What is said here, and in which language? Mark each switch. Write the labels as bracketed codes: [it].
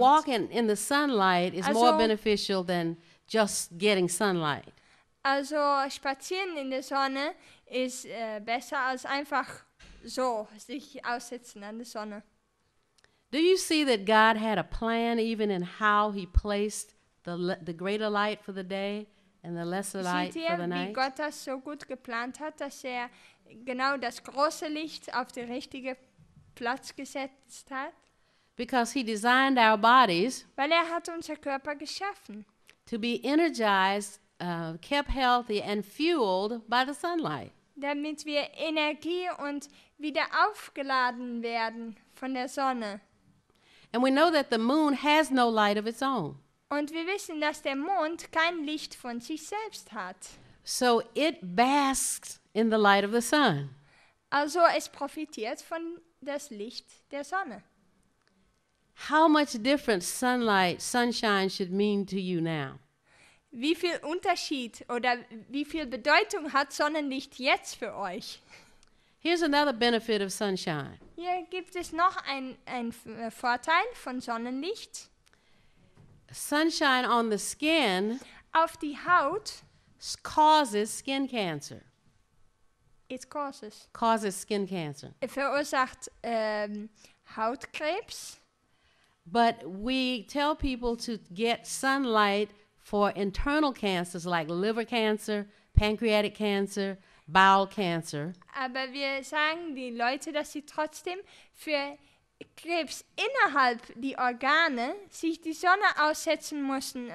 [en] Walking in the sunlight is more beneficial than just getting sunlight. [de] Also spazieren in der Sonne ist besser als einfach so sich aussetzen an der Sonne. [en] Do you see that God had a plan even in how he placed the greater light for the day and the lesser light for the night? [de] Wie Gott das so gut geplant hat, dass er genau das große Licht auf die richtige Platz gesetzt hat. [en] Because he designed our bodies. [de] Weil hat unser Körper geschaffen. [en] To be energized, kept healthy and fueled by the sunlight. [de] Damit wir Energie und wieder aufgeladen werden von der Sonne. [en] And we know that the moon has no light of its own. [de] Und wir wissen, dass der Mond kein Licht von sich selbst hat. [en] So it basks in the light of the sun. [de] Also es profitiert von das Licht der Sonne. [en] How much different sunshine should mean to you now? [de] Wie viel Unterschied oder wie viel Bedeutung hat Sonnenlicht jetzt für euch? [en] Here's another benefit of sunshine. [de] Hier gibt es noch ein Vorteil von Sonnenlicht. [en] Sunshine on the skin [de] auf die Haut [en] causes skin cancer. It causes. Causes skin cancer. [de] Es verursacht Hautkrebs. [en] But we tell people to get sunlight for internal cancers like liver cancer, pancreatic cancer, bowel cancer. [de] Aber wir sagen die Leute, dass sie trotzdem für Krebs innerhalb die Organe sich die Sonne aussetzen müssen.